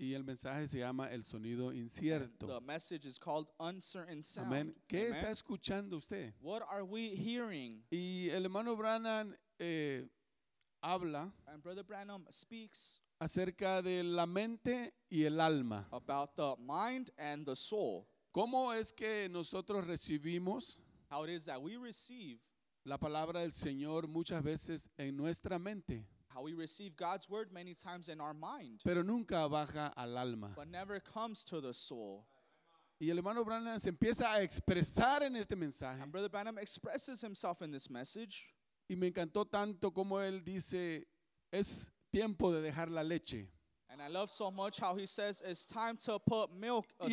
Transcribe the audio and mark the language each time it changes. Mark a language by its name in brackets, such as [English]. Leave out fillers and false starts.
[Spanish] y el mensaje se llama El Sonido Incierto. [English] The message is called Uncertain Sound. [Spanish] Amen. ¿Qué amen. Está escuchando usted? [English] What are we hearing? [Spanish] Y el hermano Branham habla [English] and brother Branham speaks [Spanish] acerca de la mente y el alma. [English] About the mind and the soul. [Spanish] ¿Cómo es que nosotros recibimos [English] how it is that we receive [Spanish] la palabra del Señor muchas veces en nuestra mente? [English] How we receive God's word many times in our mind. [Spanish] Pero nunca baja al alma. [English] But never comes to the soul. [Spanish] Y el hermano Branham se empieza a expresar en este mensaje. [English] And brother Branham expresses himself in this message. [Spanish] Y me encantó tanto como él dice, es tiempo de dejar la leche. [English] And I love so much how he says it's time to put milk aside.